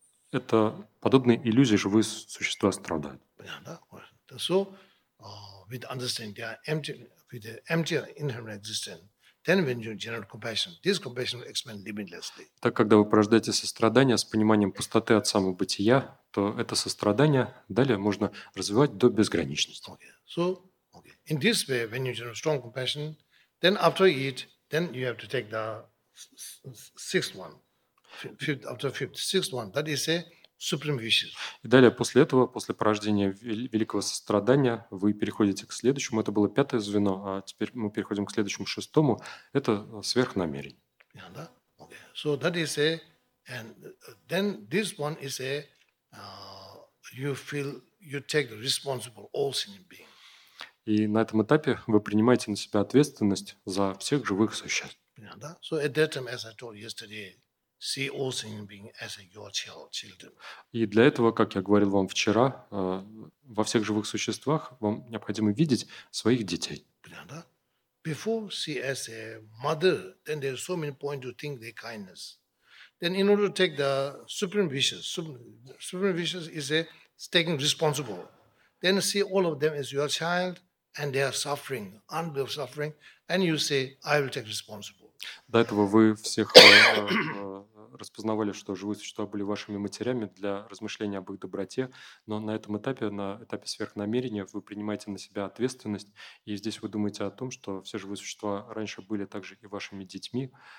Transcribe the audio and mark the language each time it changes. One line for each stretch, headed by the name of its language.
Russian: Это подобные иллюзии, живые существа страдают. Понятно, да?
English: So, with understanding they are empty, with the empty inherent existence. Then when you generate compassion, this compassion will expand limitlessly.
Russian: Так, когда вы порождаете сострадание с пониманием пустоты от самобытия, то это сострадание далее можно развивать до безграничности.
English: Okay. So, okay. In this way, when you generate strong compassion, then after it, then you have to take the sixth one. Sixth one, that is a supreme wishes.
Russian: И далее, после этого, после порождения великого сострадания, вы переходите к следующему. Это было пятое звено, а теперь мы переходим к следующему, шестому. Это сверхнамерение.
English: Yeah,
Russian: да?
English: Okay. So that is a... And then this one is a... you feel you take the responsible all sentient being.
Russian: И на этом этапе вы принимаете на себя ответственность за всех живых существ. Yeah, да?
English: So at that time, as I told yesterday, see all sentient being as your children.
Russian: И для этого, как я говорил вам вчера, во всех живых существах вам необходимо видеть своих детей. Yeah, да?
English: Before see as a mother, then there are so many points to think their kindness. Then in order to take the supreme wishes, supreme wishes is a taking responsible. Then see all of them as your child, and they are suffering, unbelief suffering, and you say, I will take responsible.
Russian: До этого вы всех распознавали, что живые существа были вашими матерями для размышления об их доброте, но на этом этапе, на этапе сверхнамерения, вы принимаете на себя ответственность, и здесь вы думаете о том, что все живые существа раньше были также и вашими детьми,